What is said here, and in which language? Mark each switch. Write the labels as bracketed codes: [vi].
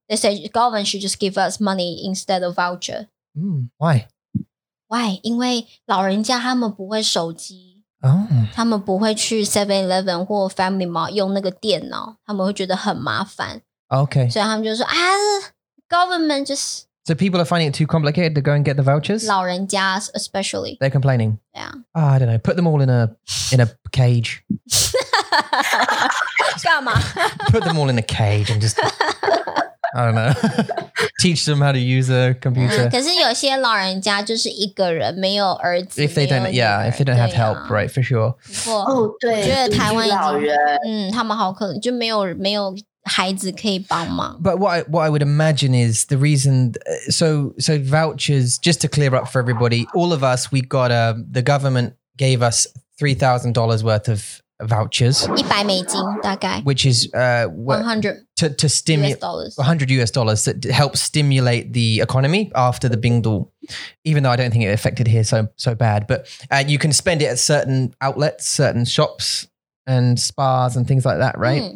[en] They say government should just give us money instead of voucher. Why? Why? [zh] 因为老人家他们不会手机, oh. 他们不会去 7-Eleven 或 Family Mart 用那个电脑，他们会觉得很麻烦. [en] Okay. [zh] 所以他们就说, [en] government just. So people are finding it too complicated to go and get the vouchers. [zh] 老人家 [en] especially. They're complaining. Yeah. Oh, I don't know. Put them all in a cage. [zh] 干嘛? [en] Put them all in a cage and just. I don't know. Teach them how to use a computer. [zh] 可是有些老人家就是一个人，没有儿子。 [en] If they don't, yeah, if they don't have help, right, for sure. [zh] 不过，我觉得台湾已经，他们好可怜，就没有孩子可以帮忙。 [en] But what I would imagine is the reason. So vouchers, just to clear up for everybody, all of us, we got the government gave us $3,000 worth of vouchers, [zh] 100美金, 大概, [en] which is $100 to stimulate $100 that helps stimulate the economy after the bingdu, even though I don't think it affected here so bad, but you can spend it at certain outlets, certain shops and spas and things like that, right?